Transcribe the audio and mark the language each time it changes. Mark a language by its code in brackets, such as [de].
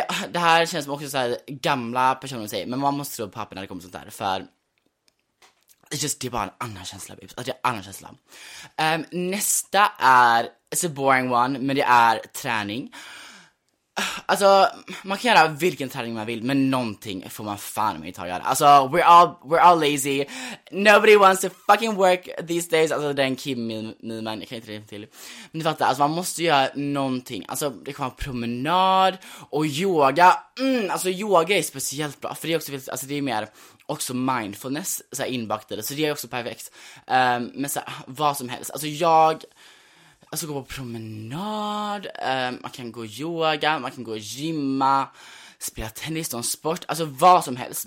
[sv] Det här känns som också så här gamla personer säger, men man måste skriva på papper när det kommer sånt här, för just, det är bara en annan känsla, babes. Alltså det är en annan känsla. Nästa är, [en] it's a boring one, [sv] men det är träning. Alltså, man kan göra vilken träning man vill, men någonting får man fan med att göra. Alltså, [en] we're all lazy. Nobody wants to fucking work these days. [sv] Alltså, det är en Kim-meme, jag kan inte riktigt till. Men du fattar, alltså man måste göra någonting. Alltså, det kan vara promenad och yoga. Alltså, yoga är speciellt bra, för det är också, alltså det är mer också mindfulness så här inbaktade, så det är också perfekt. Men så här, vad som helst. Alltså jag, alltså gå på promenad, man kan gå yoga, man kan gå gymma, spela tennis, någon sport, alltså vad som helst.